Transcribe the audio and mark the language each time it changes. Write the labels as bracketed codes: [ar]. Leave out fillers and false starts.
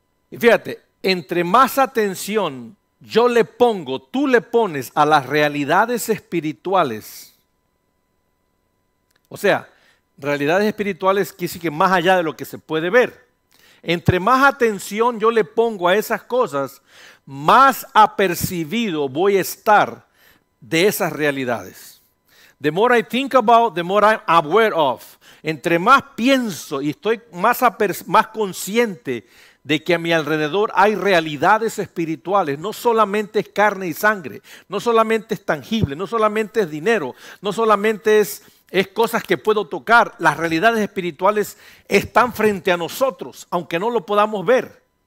[es] Y fíjate, entre más atención yo le pongo, tú le pones a las realidades espirituales. O sea, realidades espirituales quiere decir que más allá de lo que se puede ver. Entre más atención yo le pongo a esas cosas, más apercibido voy a estar de esas realidades. [en] The more I think about, the more I'm aware of. [es] Entre más pienso y estoy más consciente de que a mi alrededor hay realidades espirituales, no solamente es carne y sangre, no solamente es tangible, no solamente es dinero, no solamente es cosas que puedo tocar. Las realidades espirituales están frente a nosotros, aunque no lo podamos ver.